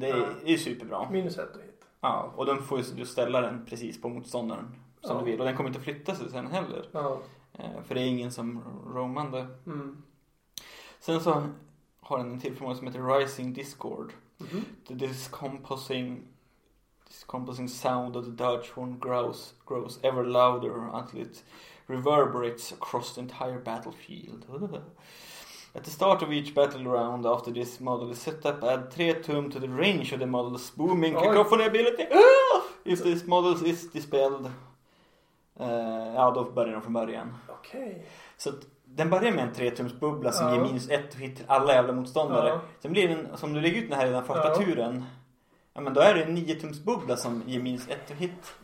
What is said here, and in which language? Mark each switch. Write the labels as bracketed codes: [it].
[sv] Det är ju superbra. Minus 1 och hit. Ja, och den får du ställa den precis på motståndaren som du vill. Och den kommer inte flytta sig sen heller. Ja. För det är ingen som romande. Mm. Sen så har den en till förmåga som heter Rising Discord. Mm-hmm. [en] The Discomposing... This composing sound of the Dirgehorn grows ever louder until it reverberates across the entire battlefield. At the start of each battle round after this model is set up, add 3 tum to the range of the model's booming cacophony ability. If this model is dispelled, [sv] då börjar den från början. [en] Okay. [sv] Så den börjar med en 3 tums bubbla som ger minus 1 hit till alla jävla motståndare. Sen blir den, som du lägger ut den här i den första turen, ja, men då är det en 9-tums bubbla som ger minus 1 hit.